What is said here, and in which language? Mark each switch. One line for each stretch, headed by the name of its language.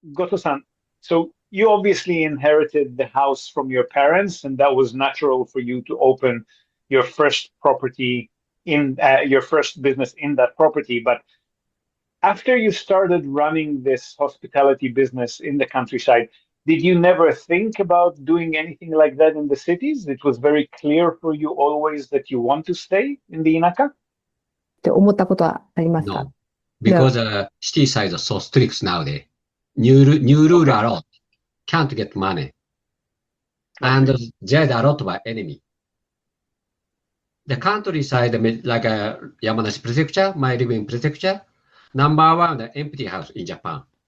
English: Goto-san, so you obviously inherited the house from your parents, and that was natural for you to open your first property in your first business in that property. But after you started running this hospitality business in the countryside, did you never think about doing anything like that in the cities? It was very clear for you always that you want to stay in the Inaka?
Japanese: って思ったことはありますか？
English: No, because city size is so strict nowadays. New rule allowed. Can't get money. And there's a lot of enemy. The countryside, like Yamanashi Prefecture, my living prefecture, number one, the empty house in Japan.